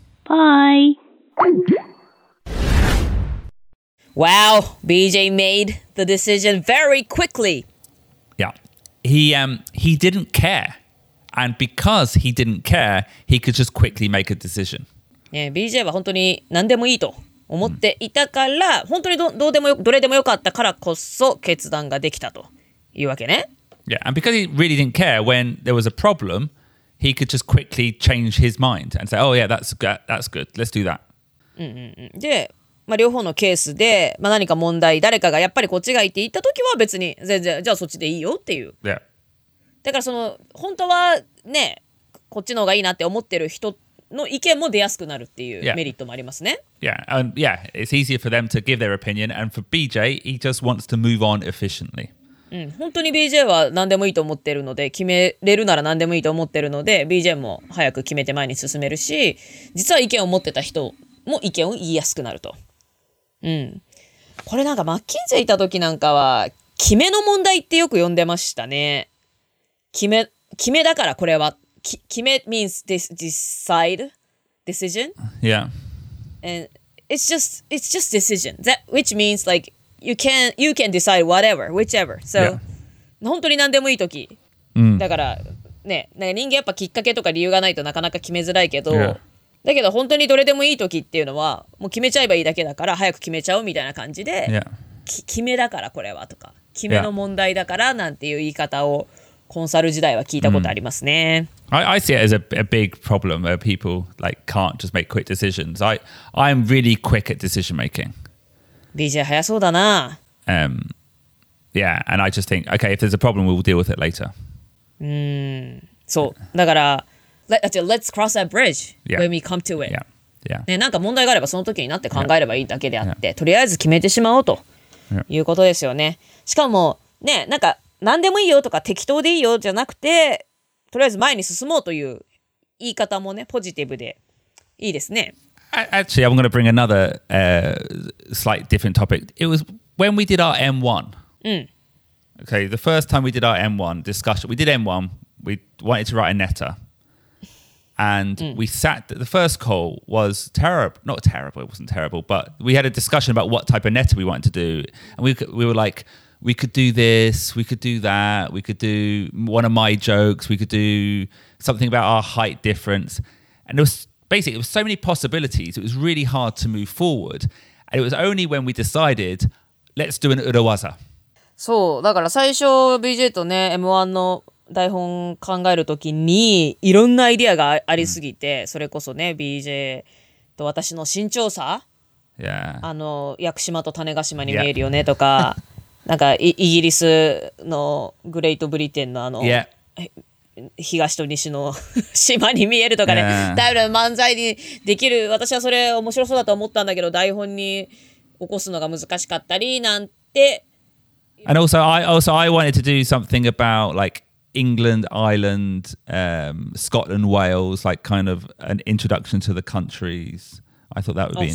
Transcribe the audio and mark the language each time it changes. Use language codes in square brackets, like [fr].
[en] Bye. Wow, BJ made the decision very quickly. Yeah. He didn't care. And because he didn't care, he could just quickly make a decision. Yeah, [ja] BJ は本当に何でもいいと思っていたから、本当にどれでもよかったからこそ決断ができたというわけね。 [en] Yeah, and because he really didn't care when there was a problem, he could just quickly change his mind and say, oh yeah, that's good, let's do that. [ja] で、まあ、両方のケースで、まあ、何か問題、誰かがやっぱりこっちがいって言ったときは別に全然、じゃあそっちでいいよっていう。 [en] Yeah. [ja] だからその、本当はね、こっちの方がいいなって思ってる人の意見も出やすくなるっていうメリットもありますね。 [en] Yeah, and yeah, it's easier for them to give their opinion, and for BJ, he just wants to move on efficiently. [ja] 本当に BJ は何でもいいと思ってるので、決めれるなら何でもいいと思ってるので、BJ も早く決めて前に進めるし、実は意見を持ってた人も意見を言いやすくなると。これなんかマッキンゼいた時なんかは、決めの問題ってよく呼んでましたね。決めだからこれは。 [en] 決め means decide, decision. Yeah. And it's just decision, that which means like,You can decide whatever, whichever. So,、yeah. [ja] 本当に何でもいい時、だからね、なんか人間やっぱきっかけとか理由がないとなかなか決めづらいけど、だけど本当にどれでもいい時っていうのはもう決めちゃえばいいだけだから早く決めちゃおうみたいな感じで、決めだからこれはとか、決めの問題だからなんていう言い方をコンサル時代は聞いたことありますね。 [en] I see it as a big problem where people like can't just make quick decisions. I'm really quick at decision making. [ja] BJ 早そうだな。 [en] Yeah, and I just think, okay, if there's a problem, we'll deal with it later. So, [ja] だから [en] let's cross that bridge when we come to it. Yeah. Yeah. [ja] ね、なんか問題があればその時になって考えればいいだけであって、とりあえず決めてしまおうということですよね。しかも、ね、なんか何でもいいよとか適当でいいよじゃなくて、とりあえず前に進もうという言い方もね、ポジティブでいいですね。 [en] Actually, I'm going to bring another slight different topic. It was when we did our M1. Okay, the first time we did our M1 discussion, we did M1, we wanted to write a letter. And we sat, the first call was terrible, not terrible, it wasn't terrible, but we had a discussion about what type of letter we wanted to do. And we were like, we could do this, we could do that, we could do one of my jokes, we could do something about our height difference. And it was basically, it was so many possibilities, it was really hard to move forward. And it was only when we decided, let's do an urawaza. [ja] So, だから最初 BJ とね、M1 の台本考えるときにいろんなアイディアがありすぎて、それこそね BJ と私の身長差、 [en] yeah. [ja] あの屋久島と種子島に見えるよねとか、 [en] yeah. [ja] なんか イギリスのグレートブリテンのあの、 [en] yeah. [ja] 東と西の島に見えるとかね、 [en] yeah. [ja] だいぶ漫才にできる、私はそれ面白そうだと思ったんだけど台本に起こすのが難しかったりなんて。 [en] And also I wanted to do something about likeEngland, Ireland, Scotland, Wales, like kind of an introduction to the countries. I thought that would be interesting.